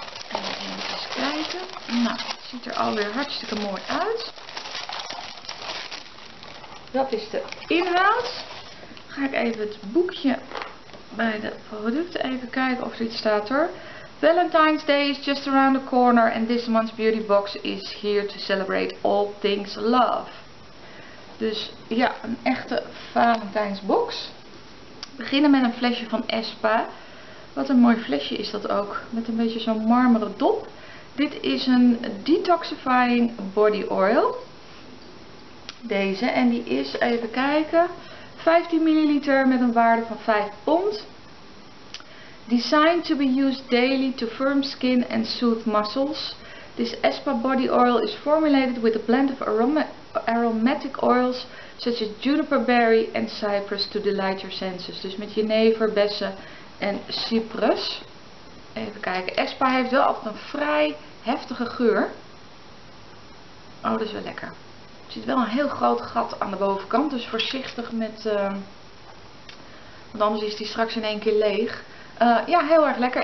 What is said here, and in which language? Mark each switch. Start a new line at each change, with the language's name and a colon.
Dutch: Even kijken. Nou, het ziet er alweer hartstikke mooi uit. Dat is de inhoud. Ga ik even het boekje bij de producten even kijken of er iets staat hoor.
English: Valentine's Day is just around the corner and this month's beauty box is here to celebrate all things love.
Dutch: Dus ja, een echte Valentine's box. We beginnen met een flesje van Espa. Wat een mooi flesje is dat ook, met een beetje zo'n marmeren dop. Dit is een detoxifying body oil. Deze, en die is, even kijken, 15 ml met een waarde van 5 pond.
English: Designed to be used daily to firm skin and soothe muscles. This Espa body oil is formulated with a blend of aromatic oils such as juniper berry and cypress to delight your senses.
Dutch: Dus met jenever, bessen en cyprus. Even kijken. Espa heeft wel altijd een vrij heftige geur. Oh, dat is wel lekker. Er zit wel een heel groot gat aan de bovenkant. Dus voorzichtig met... want anders is die straks in één keer leeg. Ja, heel erg lekker.